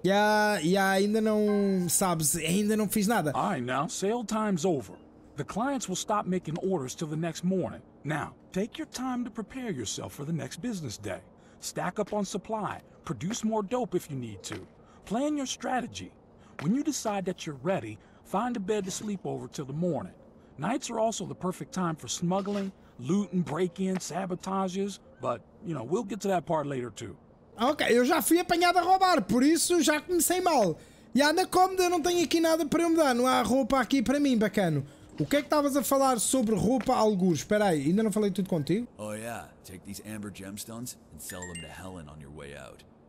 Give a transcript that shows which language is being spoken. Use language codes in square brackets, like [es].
[pt] Yeah, ainda não sabes, ainda não fiz nada. [en] I know. Sale time's over. The clients will stop making orders till the next morning. Now, take your time to prepare yourself for the next business day. Stack up on supply. Produce more dope if you need to. Plan your strategy. When you decide that you're ready, find a bed to sleep over till the morning. Nights are also the perfect time for smuggling, looting, break-ins, sabotages, but, you know, we'll get to that part later too. [pt] Ok, eu já fui apanhado a roubar, por isso já comecei mal. E anda cómoda, não tenho aqui nada para eu mudar, não há roupa aqui para mim, bacano. O que é que estavas a falar sobre roupa algures? Espera aí, ainda não falei tudo contigo? [en] Oh yeah, take these amber gemstones and sell them to Helen on your way out.